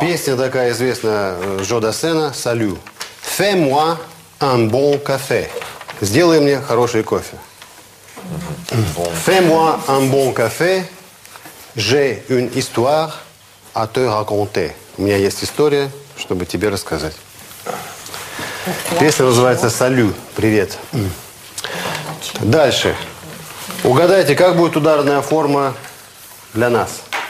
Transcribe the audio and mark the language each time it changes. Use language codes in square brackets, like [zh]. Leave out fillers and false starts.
[ru] Песня такая известная Джо Дассена, «Салю». [fr] Fais-moi un bon café. [ru] Сделай мне хороший кофе. [fr] Fais-moi un bon café. J'ai une histoire à te raconter. [ru] У меня есть история, чтобы тебе рассказать. Песня называется «Салю». Привет. Дальше. Угадайте, как будет ударная форма для нас?